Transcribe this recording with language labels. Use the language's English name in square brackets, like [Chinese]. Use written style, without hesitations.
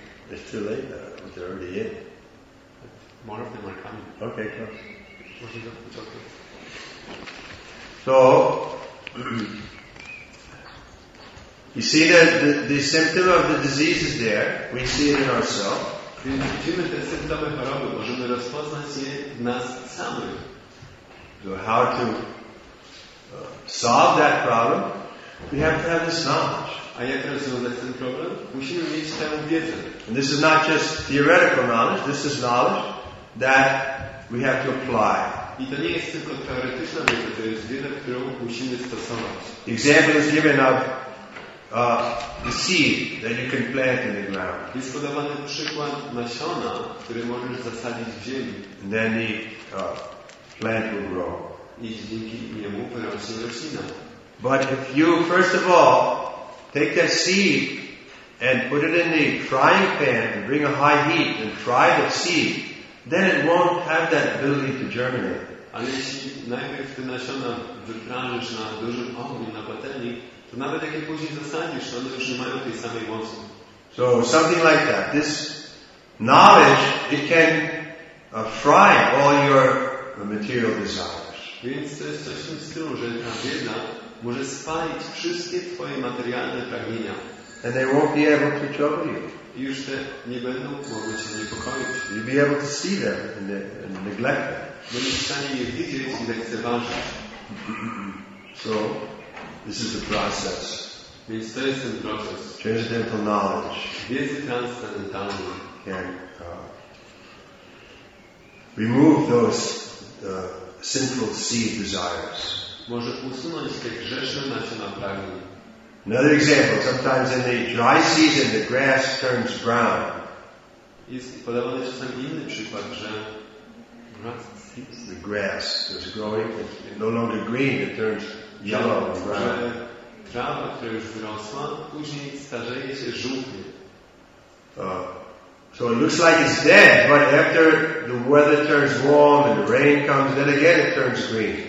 [English] it's too late now. They're already in. But more of them are coming. Okay, close. What is it? Okay. So you see that the symptom of the disease is there. We see it in ourselves. [Polish] Więc widzimy te symptomy choroby. Możemy rozpoznać je w nas samych. [English] So how to solve that problem? We have to have this knowledge. [Polish] A jak rozwiązać ten problem? Musimy mieć tę wiedzę. [English] And this is not just theoretical knowledge. This is knowledge that we have to apply. [Polish] I to nie jest tylko teoretyczna wiedza. To jest wiedza, którą musimy stosować. [English] Example is given of the seed that you can plant in the ground. [Polish] Jest podawany przykład nasiona, który możesz zasadzić w ziemi. [English] And then the plant will grow. [Polish] I dzięki niemu wyrośnie roślina. [English] But if you first of all take that seed and put it in the frying pan and bring a high heat and fry the seed, then it won't have that ability to germinate. [Polish] Ale jeśli najpierw te nasiona wyprażysz na dużym ogniu, na patelni, to nawet jak je później zasadzisz, one już nie mają tej samej mocy. [English] So something like that. This knowledge, it can fry all your material desires. [Polish] Więc to jest coś w tym stylu, że ta wiedza może spalić wszystkie twoje materialne pragnienia. [English] And they won't be able to trouble you. [Polish] I już te nie będą mogły cię niepokoić. [English] You'll be able to see them and neglect them. [Polish] Będziesz w stanie je widzieć i lekceważyć. [English] So, this is the process. [Polish] Więc to jest ten proces. [English] Transcendental knowledge. [Polish] Wiedzy transcendentalnej. [English] Can remove those sinful seed desires. [Polish] Może usunąć te grzeszne nasiona pragnień. [English] Another example, sometimes in the dry season the grass turns brown. [Polish] Jest podawany czasami inny przykład, że [English] the grass is growing, it's no longer green, it turns yellow and brown. [Polish] Trawa, która już wyrosła, później starzeje się żółty. [English] So it looks like it's dead, but after the weather turns warm and the rain comes, then again it turns green.